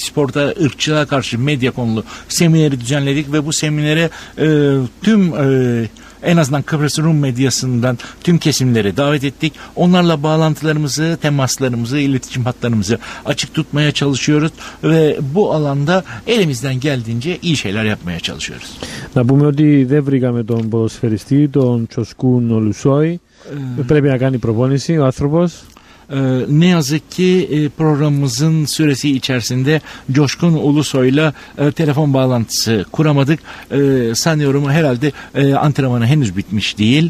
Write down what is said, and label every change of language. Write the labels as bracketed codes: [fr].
[tr] Sporda ırkçılığa karşı medya konulu semineri düzenledik ve bu seminere tüm En azından Kıbrıs Rum medyasından tüm kesimleri davet ettik. Onlarla bağlantılarımızı, temaslarımızı, iletişim hatlarımızı açık tutmaya çalışıyoruz. Ve bu alanda elimizden geldiğince iyi şeyler yapmaya çalışıyoruz. [el] Να πούμε ότι δεν βρήκαμε τον ποδοσφαιριστή, τον Τσοσκούν Ολουσόη. Πρέπει να κάνει προπόνηση ο άνθρωπος. [tr] Ne yazık ki programımızın süresi içerisinde Coşkun Ulusoy'la telefon bağlantısı kuramadık. Sanıyorum herhalde antrenmanı henüz bitmiş değil.